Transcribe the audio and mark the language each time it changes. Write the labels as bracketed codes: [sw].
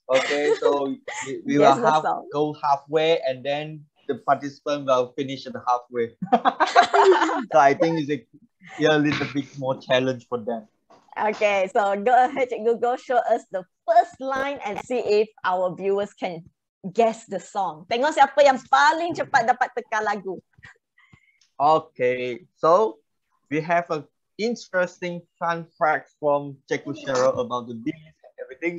[en] Okay, so we will have go halfway and then the participant will finish at halfway. So I think it's a little bit more challenge for them. Okay, so go ahead, Cikgu Go, show us the first line and see if our viewers can guess the song. [ms] Tengok siapa yang paling cepat dapat tekan lagu. [en] Okay, so we have an interesting fun fact from Cikgu Cheryl about the beats and everything.